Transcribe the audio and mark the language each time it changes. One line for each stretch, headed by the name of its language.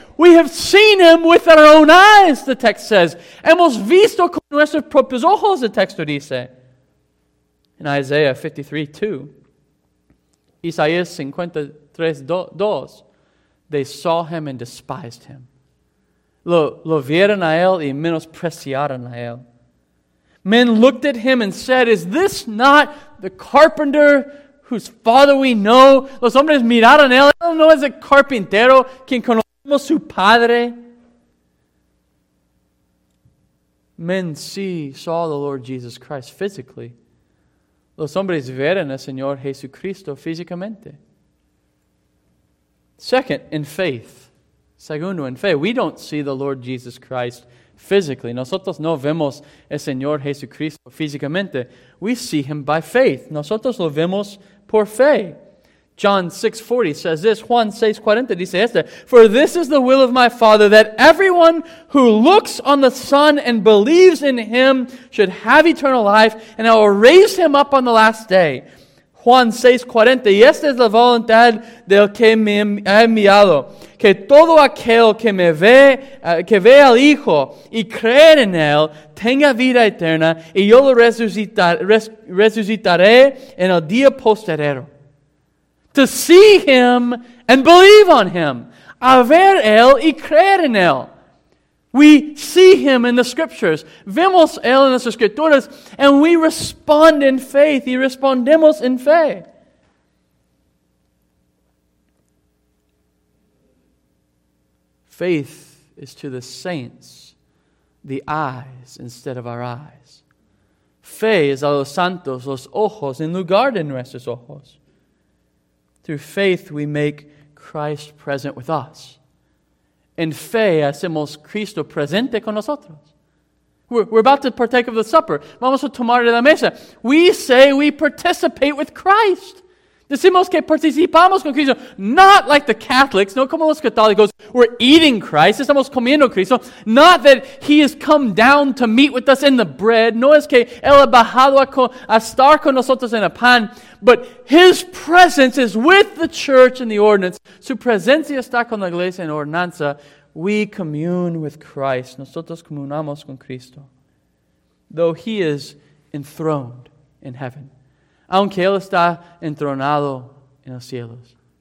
English: We have seen him with our own eyes, the text says.
Spanish: Hemos visto con nuestros propios ojos,
English: the text dice. In Isaiah 53:2, Isaías 53:2, they saw him and despised him.
Spanish: Lo vieron a él y menospreciaron a él.
English: Men looked at him and said, is this not the carpenter whose father we know?
Spanish: Los hombres miraron a él. ¿Él no es el carpintero quien conocemos su padre?
English: Men saw the Lord Jesus Christ physically.
Spanish: Los hombres vieron al Señor Jesucristo físicamente.
English: Second, in faith.
Spanish: Segundo,
English: in faith. We don't see the Lord Jesus Christ physically.
Spanish: Nosotros no vemos el Señor Jesucristo físicamente.
English: We see him by faith.
Spanish: Nosotros lo vemos por fe.
English: John 6:40 says this.
Spanish: Juan 6:40 dice esto.
English: For this is the will of my Father, that everyone who looks on the Son and believes in him should have eternal life, and I will raise him up on the last day.
Spanish: Juan 6:40. Y esta es la voluntad del que me ha enviado. Que todo aquel que me ve, que ve al Hijo y cree en él, tenga vida eterna, y yo lo resucitaré en el día postrero.
English: To see him and believe on him.
Spanish: A ver él y creer en él.
English: We see him in the scriptures.
Spanish: Vemos él en las escrituras.
English: And we respond in faith.
Spanish: Y respondemos en fe.
English: Faith is to the saints the eyes instead of our eyes.
Spanish: Fe es a los santos los ojos en lugar de nuestros ojos.
English: Through faith, we make Christ present with us.
Spanish: En fe, hacemos Cristo presente con nosotros.
English: We're about to partake of the supper.
Spanish: Vamos a tomar de la mesa.
English: We say we participate with Christ.
Spanish: Decimos que participamos con Cristo.
English: Not like the Catholics,
Spanish: no como los católicos.
English: We're eating Christ,
Spanish: estamos comiendo Cristo.
English: Not that he has come down to meet with us in the bread.
Spanish: No es que él ha bajado a estar con nosotros en el pan.
English: But his presence is with the church in the ordinance.
Spanish: Su presencia está con la iglesia en ordenanza.
English: We commune with Christ.
Spanish: Nosotros comunamos con Cristo. Though he is enthroned in heaven. Aunque él está entronado en los cielos.